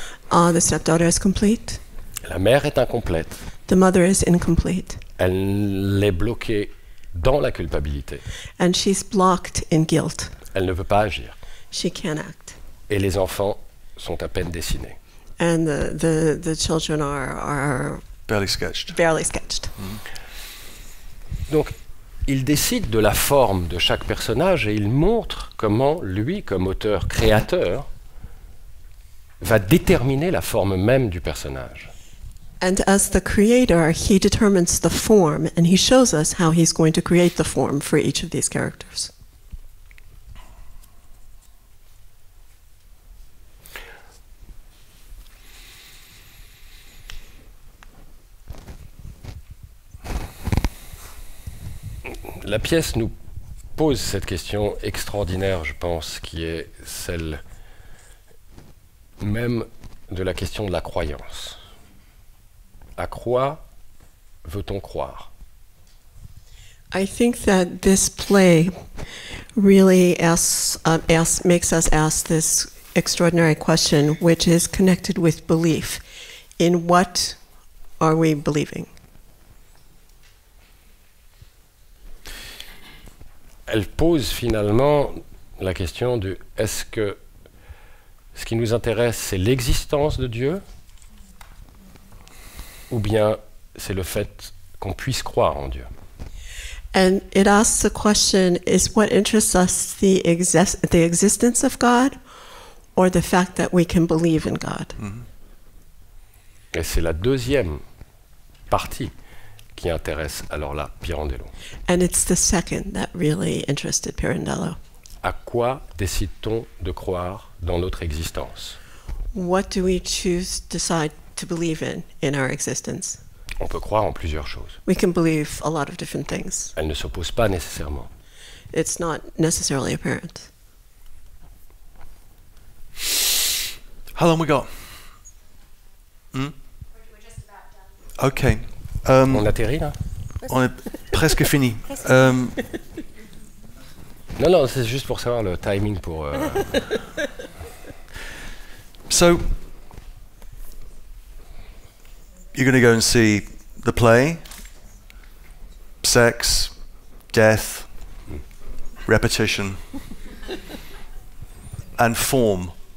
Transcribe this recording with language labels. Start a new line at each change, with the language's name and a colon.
English: The stepdaughter is complete.
French: La mère est incomplète.
English: The mother is incomplete.
French: Elle est bloquée dans la culpabilité.
English: And she's blocked in guilt.
French: Elle ne peut pas agir.
English: She can't act.
French: Et les enfants sont à peine dessinés.
English: And the children are barely sketched. Barely sketched. Mm-hmm.
French: Donc, il décide de la forme de chaque personnage et il montre comment lui, comme auteur créateur, va déterminer la forme même du personnage.
English: And as the creator, he determines the form and he shows us how he's going to create the form for each of these characters.
French: La pièce nous pose cette question extraordinaire, je pense, qui est celle même de la question de la croyance. À quoi veut-on croire?
English: I think that this play really makes us ask this extraordinary question, which is connected with belief. In what are we believing?
French: Elle pose finalement la question de est-ce que ce qui nous intéresse, c'est l'existence de Dieu, ou bien c'est le fait qu'on puisse croire en Dieu.
English: And it asks the question, is what interests us the existence of God, or the fact that we can believe in God? Mm-hmm.
French: Et c'est la deuxième partie qui intéresse alors là Pirandello.
English: And it's the second that really interested Pirandello.
French: À quoi décide-t-on de croire dans notre existence?
English: What do we choose decide to believe in our existence?
French: On peut croire en plusieurs choses.
English: We can believe a lot of different things.
French: Elles ne s'opposent pas nécessairement.
English: It's not necessarily apparent. How long we got? We're just about done. Okay.
French: On atterrit là. On est presque fini. Non, c'est juste pour savoir le timing pour.
English: So, you're going to go and see the play, sex, death, repetition, and form.